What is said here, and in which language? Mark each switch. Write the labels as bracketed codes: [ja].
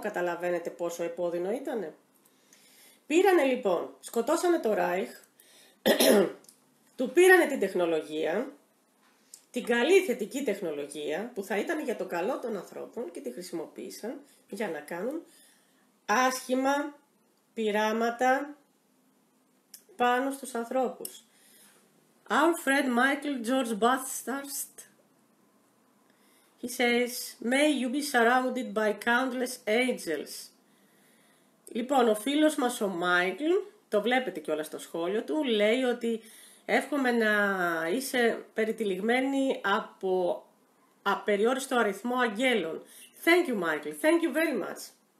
[el] Καταλαβαίνετε πόσο επώδυνο ήταν. Πήρανε λοιπόν, σκοτώσανε το Reich, του πήρανε την τεχνολογία, την καλή θετική τεχνολογία που θα ήταν για το καλό των ανθρώπων και τη χρησιμοποίησαν για να κάνουν άσχημα πειράματα πάνω στους ανθρώπους. [en] Alfred Michael George Bathurst, he says, may you be surrounded by countless angels. [el] Λοιπόν, ο φίλος μας ο Michael, το βλέπετε κιόλας στο σχόλιο του, λέει ότι εύχομαι να είσαι περιτυλιγμένη από απεριόριστο αριθμό αγγέλων. [en] Thank you, Michael. Thank you very much.